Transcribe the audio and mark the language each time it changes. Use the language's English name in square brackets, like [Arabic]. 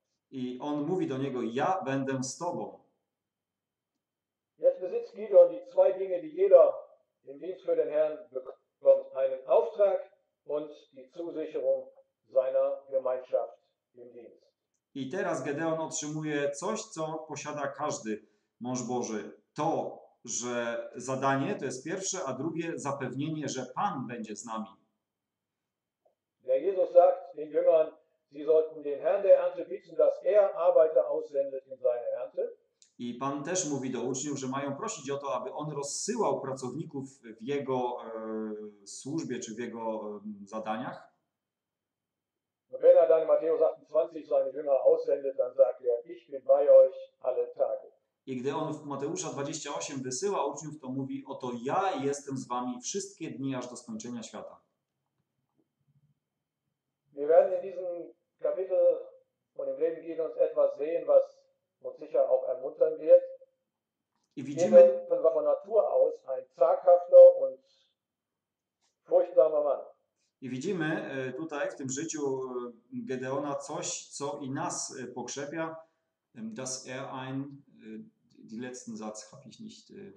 [Polish] I on mówi do niego, ja będę z tobą. [German] Jetzt besitzt Gideon die zwei Dinge, die jeder im Dienst für den Herrn bekommt. Einen Auftrag und die Zusicherung seiner Gemeinschaft im Dienst. [Polish] I teraz Gedeon otrzymuje coś, co posiada każdy mąż Boży. To, że zadanie to jest pierwsze, a drugie zapewnienie, że Pan będzie z nami. [German] Der Jesus sagt den Jüngern, sie sollten den Herrn der Ernte bitten, dass er Arbeiter aussendet in seine Ernte. [Polish] I Pan też mówi do uczniów, że mają prosić o to, aby on rozsyłał pracowników w jego służbie czy w jego zadaniach. [German] Wenn er dann Matthäus 28 seine Jünger aussendet, dann sagt er, ich bin bei euch alle Tage. [Polish] I gdy on w Mateusza 28 wysyła uczniów, to mówi, oto ja jestem z wami wszystkie dni aż do skończenia świata. [German] Wir werden in diesem Kapitel von dem Leben Gideons etwas sehen, was uns sicher auch ermuntern wird. [Polish] I widzimy, [German] Gideon war von Natur aus ein zaghafter und furchtsamer Mann. [Polish] I widzimy tutaj w tym życiu Gedeona coś, co i nas pokrzepia, [German] dass er ein die letzten Satz habe ich nicht.